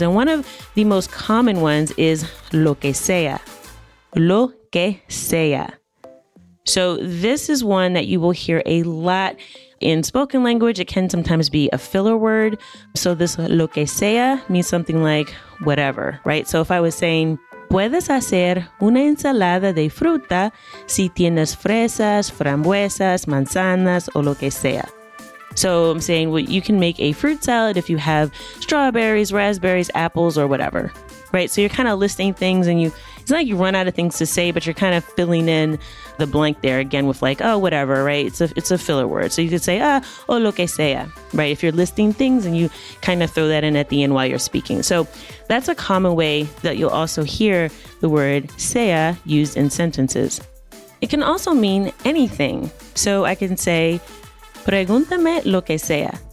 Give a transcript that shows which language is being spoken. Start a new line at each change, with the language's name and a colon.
English: And one of the most common ones is
Spanish: lo que sea. Lo que sea.
English: So this is one that you will hear a lot in spoken language. It can sometimes be a filler word. So this
Spanish: lo que sea
English: means something like whatever, right? So if I was saying,
Spanish: puedes hacer una ensalada de fruta si tienes fresas, frambuesas, manzanas, o lo que sea.
English: So I'm saying, well, you can make a fruit salad if you have strawberries, raspberries, apples, or whatever, right? So you're kind of listing things and it's not like you run out of things to say, but you're kind of filling in the blank there again with like, oh, whatever, right? It's a filler word. So you could say,
Spanish: o lo que sea,
English: right? If you're listing things and you kind of throw that in at the end while you're speaking. So that's a common way that you'll also hear the word sea used in sentences. It can also mean anything. So I can say,
Spanish: pregúntame lo que sea.